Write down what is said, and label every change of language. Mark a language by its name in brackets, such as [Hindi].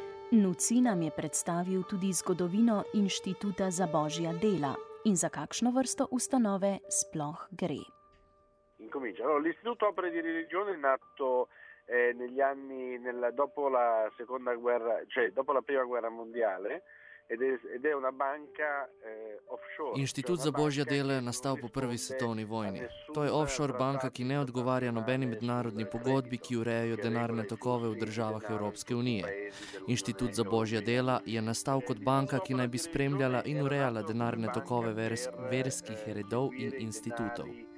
[Slovenian] Nuci nam je predstavil tudi zgodovino Inštituta za božja dela in za kakšno vrsto ustanove sploh gre. [Italian] L'Istituto Opere di Religione nato negli anni nella dopo la seconda guerra, cioè dopo la prima guerra mondiale, ed è una banka offshore. [Slovenian] Inštitut za božja dela je nastal po prvi svetovni vojni. To je offshore banka, ki ne odgovarja nobeni mednarodni pogodbi, ki urejajo denarne tokove v državah Evropske unije. Inštitut za božja dela je nastal kot banka, ki naj bi spremljala in urejala denarne tokove verskih redov in institutov.